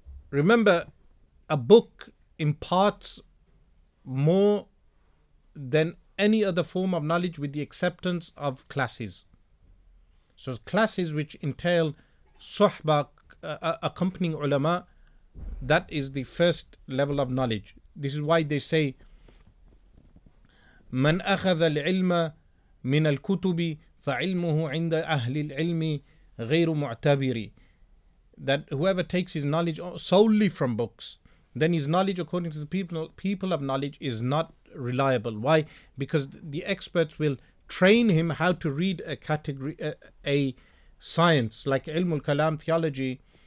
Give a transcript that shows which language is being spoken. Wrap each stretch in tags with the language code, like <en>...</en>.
<en>Remember, a book imparts more than any other form of knowledge, with the acceptance of classes. So classes which entail suhbah, accompanying ulama, that is the first level of knowledge.</en> <ar>This is why they say, مَنْ أَخَذَ الْعِلْمَ مِنَ الْكُتُبِ فَعِلْمُهُ عِنْدَ أَهْلِ الْعِلْمِ غَيْرُ مُعْتَبِرِ.</ar> <en>That whoever takes his knowledge solely from books, then his knowledge, according to the people of knowledge, is not reliable. Why? Because the experts will train him how to read a category, a science like ilm al kalam, theology.</en>